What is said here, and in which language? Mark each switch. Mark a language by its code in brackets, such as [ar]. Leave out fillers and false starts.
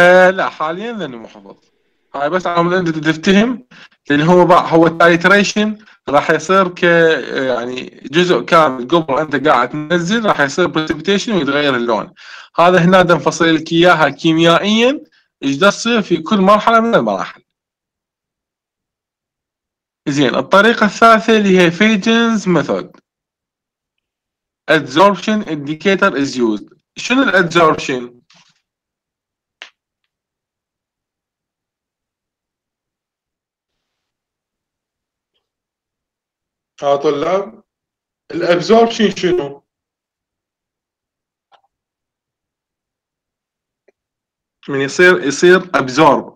[ar] لا حاليا ذني مو حفظ، هاي بس على مود انت تفتهم، لان هو تايتريشن راح يصير ك يعني جزء كامل قبل انت قاعد تنزل راح يصير بريسيبيتيشن ويتغير اللون. هذا هنا نفصل لك اياها كيميائيا ايش دا يصير في كل مرحله من المراحل. زين، الطريقه الثالثه اللي هي فيجنز ميثود. [en] adsorption indicator is used. [ar] شنو ال adsorption؟ ها طلاب ال absorption شنو؟ من يصير absorb.